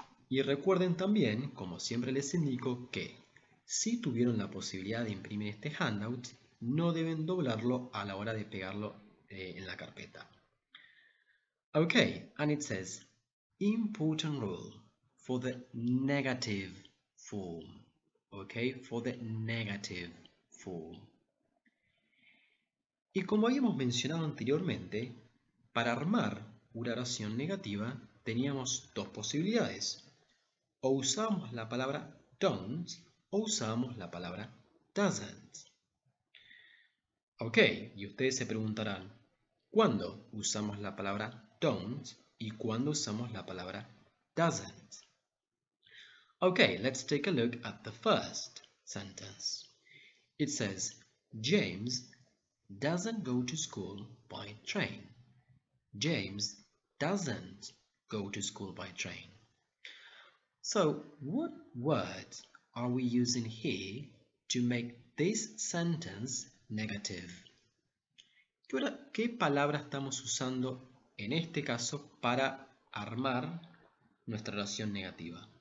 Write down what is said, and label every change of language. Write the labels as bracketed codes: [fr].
[es] Y recuerden también, como siempre les indico, que si tuvieron la posibilidad de imprimir este handout, no deben doblarlo a la hora de pegarlo en la carpeta. [en] Okay, and it says, important rule for the negative form. Okay, for the negative form. [es] Y como habíamos mencionado anteriormente, para armar una oración negativa teníamos dos posibilidades. O usábamos la palabra don't o usábamos la palabra doesn't. Ok, y ustedes se preguntarán, ¿cuándo usamos la palabra don't y cuándo usamos la palabra doesn't? [en] Ok, let's take a look at the first sentence. It says, James doesn't go to school by train. James doesn't go to school by train. So, what words are we using here to make this sentence negative? [es] ¿Qué palabra estamos usando en este caso para armar nuestra oración negativa?